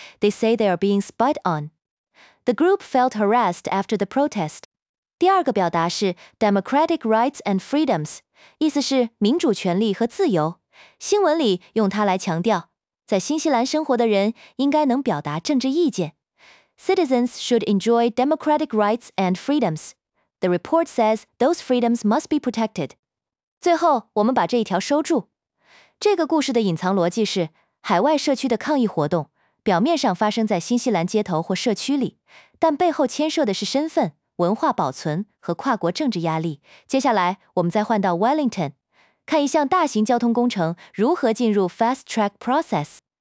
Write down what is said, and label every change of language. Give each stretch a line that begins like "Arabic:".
English: They say they are being spied on. The group felt harassed after the protest.
Chinese: 第二个表达是
English: democratic rights and freedoms，
Chinese: 意思是民主权利和自由。新闻里用它来强调，在新西兰生活的人应该能表达政治意见。
English: Citizens should enjoy democratic rights and freedoms. The report says those freedoms must be protected.
Chinese: 最后我们把这一条收住。这个故事的隐藏逻辑是，海外社区的抗议活动表面上发生在新西兰街头或社区里，但背后牵涉的是身份、文化保存和跨国政治压力。接下来我们再换到 Wellington，看一项大型交通工程如何进入
English: fast track process。